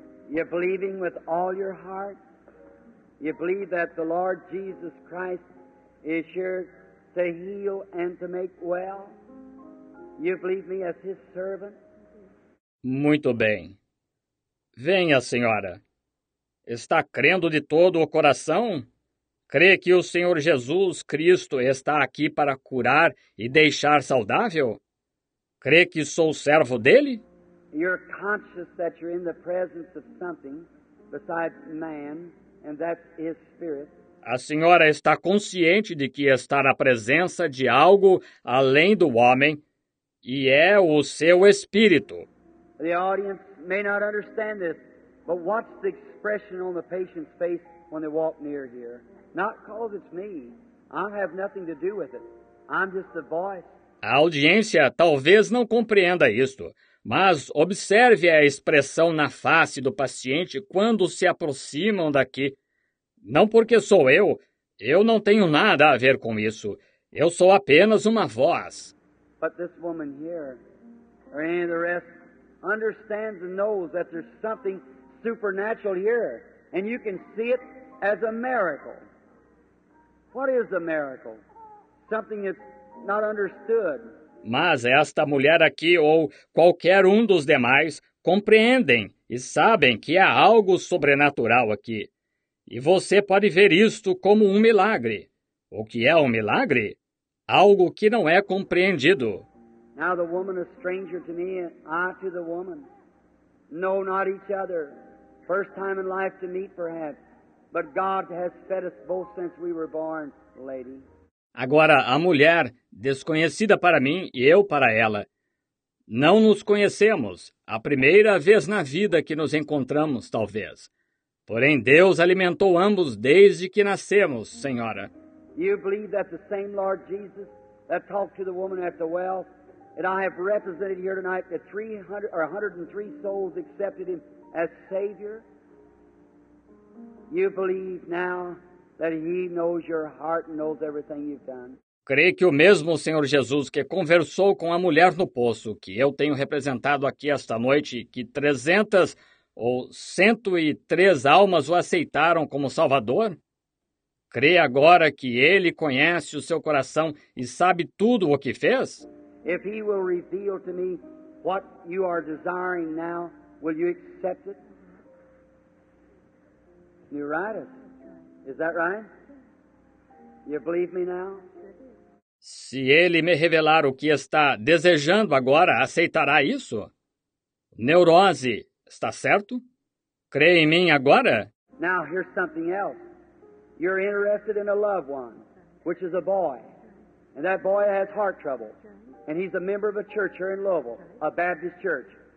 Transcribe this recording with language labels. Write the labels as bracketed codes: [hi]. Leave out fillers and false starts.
[en] You're believing with all your heart? You believe that the Lord Jesus Christ is here to heal and to make well? You believe me as His servant? [pt] Muito bem. Venha, senhora. Está crendo de todo o coração? Crê que o Senhor Jesus Cristo está aqui para curar e deixar saudável? Crê que sou servo dEle? [en] You're conscious that you're in the presence of something besides man. And that's his spirit. [pt] A senhora está consciente de que está na presença de algo além do homem, e é o seu espírito. [en] The audience may not understand this, but watch the expression on the patient's face when they walk near here. Not because it's me. I have nothing to do with it. I'm just the voice. [pt] A audiência talvez não compreenda isto. Mas observe a expressão na face do paciente quando se aproximam daqui. Não porque sou eu não tenho nada a ver com isso. Eu sou apenas uma voz. [en] But this woman here, or any of the rest, understands and knows that there's something supernatural here, and you can see it as a miracle. What is a miracle? Something that's not understood. [pt] Mas esta mulher aqui ou qualquer um dos demais compreendem e sabem que há algo sobrenatural aqui. E você pode ver isto como um milagre. O que é um milagre? Algo que não é compreendido. [en] Now the woman is stranger to me, I to the woman. No, not each other. First time in life to meet, perhaps. But God has fed us both since we were born, lady. [pt] Agora, a mulher, desconhecida para mim e eu para ela. Não nos conhecemos. A primeira vez na vida que nos encontramos, talvez. Porém, Deus alimentou ambos desde que nascemos, senhora. [en] You believe that the same Lord Jesus that talked to the woman at the well, and I have represented here tonight that 103 souls accepted him as Savior? You believe now that he knows your heart and knows everything you've done. [pt] Creio que o mesmo Senhor Jesus que conversou com a mulher no poço, que eu tenho representado aqui esta noite, que 300 ou 103 almas o aceitaram como Salvador, creia agora que ele conhece o seu coração e sabe tudo o que fez? [en] If he will reveal to me what you are desiring now, will you accept it? You write it. Is that right? You believe me now? [pt] Se ele me revelar o que está desejando agora, aceitará isso? Neurose, está certo? Crê em mim agora? [en] Now, here's something else. You're interested in a loved one, which is a boy. And that boy has heart trouble. And he's a member of a church here in Louisville, a Baptist church.